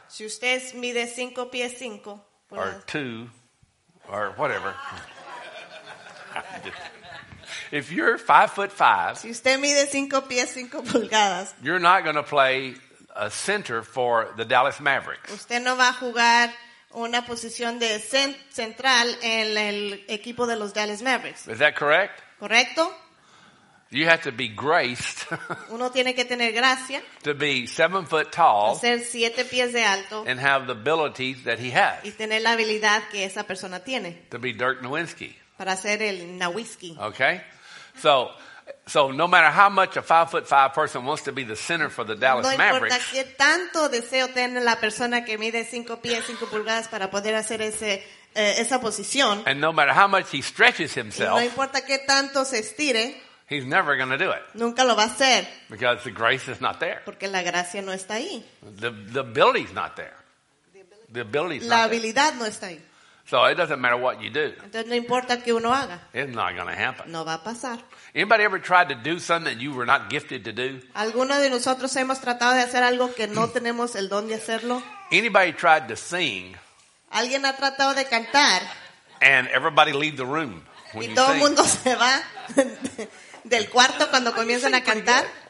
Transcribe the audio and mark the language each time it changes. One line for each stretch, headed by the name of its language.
Spanish: si usted mide 5'5",
English: or 2, or whatever. If you're 5'5",
Spanish: si usted mide 5 pies 5 pulgadas,
English: you're not going to play a center for the Dallas Mavericks.
Spanish: Usted no va a jugar una posición de central en el equipo de los Dallas Mavericks.
English: Is that correct?
Spanish: Correcto.
English: You have to be graced.
Spanish: Uno tiene que tener gracia.
English: To be 7 foot tall.
Spanish: Ser 7 pies de alto.
English: And have the ability that he has.
Spanish: Y tener la habilidad que esa persona tiene.
English: To be Dirk Nowitzki.
Spanish: Para hacer el Nowitzki.
English: Okay. So, So no matter how much a 5'5" person wants to be the center for the Dallas Mavericks.
Spanish: No importa qué tanto deseo tener la persona que mide 5 pies 5 pulgadas para poder hacer ese esa posición.
English: And no matter how much he stretches himself.
Spanish: No importa qué tanto se estire.
English: He's never going to do it.
Spanish: Nunca lo va a hacer.
English: Because the grace is not there.
Spanish: Porque la gracia no está ahí.
English: The ability is not there. The ability is not there.
Spanish: La habilidad no está ahí.
English: So it doesn't matter what you do.
Spanish: Entonces, no importa qué uno haga.
English: It's not going to happen.
Spanish: No va a pasar.
English: Anybody ever tried to do something that you were not gifted to do?
Spanish: ¿Alguno de nosotros hemos tratado de hacer algo que no tenemos el don de hacerlo?
English: Anybody tried to sing?
Spanish: ¿Alguien ha tratado de cantar?
English: And everybody leave the room when
Spanish: y todo el mundo se va del cuarto cuando comienzan a cantar.